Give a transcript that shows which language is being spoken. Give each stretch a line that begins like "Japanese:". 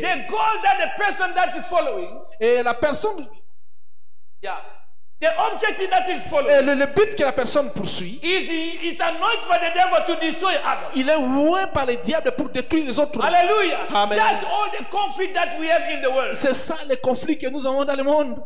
English: The goal that the person that is following.
French: Et la personne.
English: Yeah. The objective that is followed.
French: Et le but que la personne poursuit.
English: Is anointed by the devil to destroy others.
French: Il est loué par le diable pour détruire les autres. Alléluia. Amen.
English: That's all the conflict that we have in the world.
French: C'est ça les conflits que nous avons dans le monde.